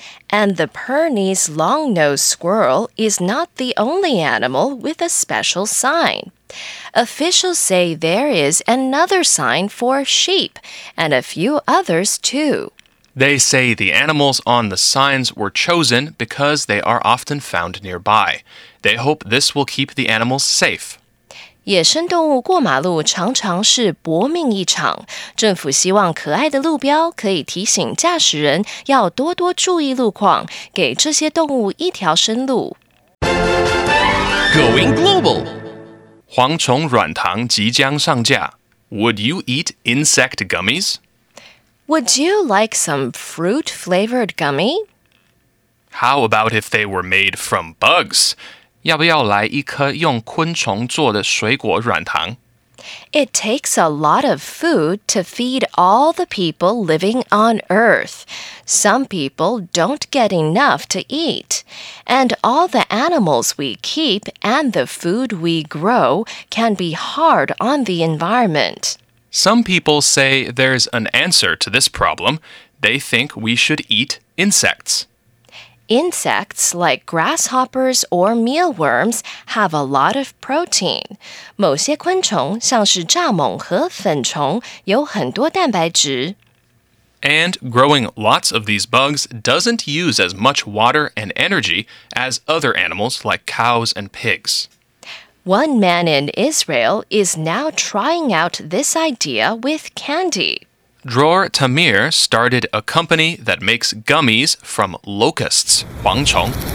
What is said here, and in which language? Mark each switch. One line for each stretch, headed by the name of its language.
English: And the Perny's long-nosed squirrel is not the only animal with a special sign. Officials say there is another sign for sheep and a few others too. They say the animals on the signs were chosen because they are often found nearby. They hope this will keep the animals safe.
Chinese: 野生动物过马路常常是搏命一场。政府希望可爱的路标可以提醒驾驶人要多多注意路况，给这些动物一条生路。
English: Going global!
Chinese: 蝗虫软糖即将上架。
English: Would you eat insect gummies? Would you like some fruit-flavored gummy? How about if they were made from bugs?
Chinese: 要不要来一颗用昆虫做的水果软糖?
English: It takes a lot of food to feed all the people living on Earth. Some people don't get enough to eat. And all the animals we keep and the food we grow can be hard on the environment. Some people say there's an answer to this problem. They think we should eat insects. Insects like grasshoppers or mealworms have a lot of protein.
Chinese: 某些昆虫像是蚱蜢和粉虫有很多蛋白质。
English: And growing lots of these bugs doesn't use as much water and energy as other animals like cows and pigs. One man in Israel is now trying out this idea with candy. Dror Tamir started a company that makes gummies from locusts, 蝗虫.